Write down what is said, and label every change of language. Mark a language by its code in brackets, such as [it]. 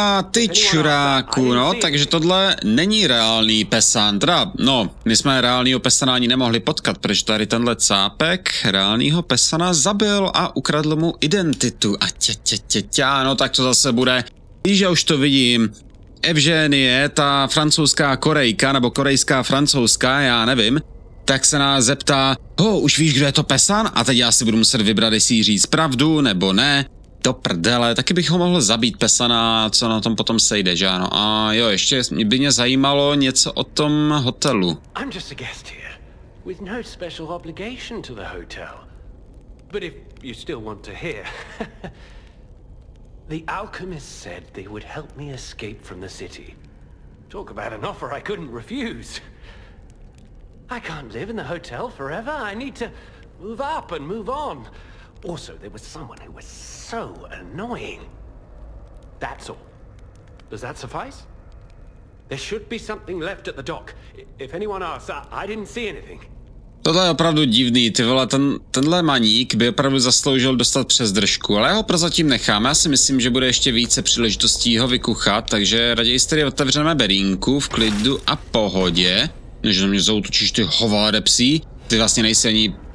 [cs] Ty čuráku, no, takže tohle není reálný Pesan, teda, no, my jsme reálnýho Pesana ani nemohli potkat, protože tady tenhle cápek reálnýho Pesana zabil a ukradl mu identitu, a no, tak to zase bude, víš, já už to vidím, Evženie, ta francouzská Korejka, nebo korejská francouzská, já nevím, tak se nás zeptá, už víš, kdo je to Pesan, a teď já si budu muset vybrat, jestli říct pravdu, nebo ne. Do prdele, taky bych ho mohl zabít Pesana, co na tom potom sejde, že ano? A jo, ještě by mě zajímalo něco o tom hotelu. [en] I'm just a guest here, with no special obligation to the hotel. But if you still want to hear... The alchemist said they would help me escape from the city. Talk about an offer I couldn't refuse. I can't live in the hotel forever, I need to move up and move on. Also, there was someone who was so annoying. That's all. Does that suffice? There should be something left at the dock. If anyone asks, I didn't see anything. [cs] Tohle je opravdu divný, ty vole, tenhle maník by opravdu zasloužil dostat přes držku, ale já ho prozatím nechám, já si myslím, že bude ještě více příležitostí ho vykuchat, takže raději si tady otevřeme berínku v klidu a pohodě, než na mě zautočíš ty hováde psí, ty vlastně nejsi ani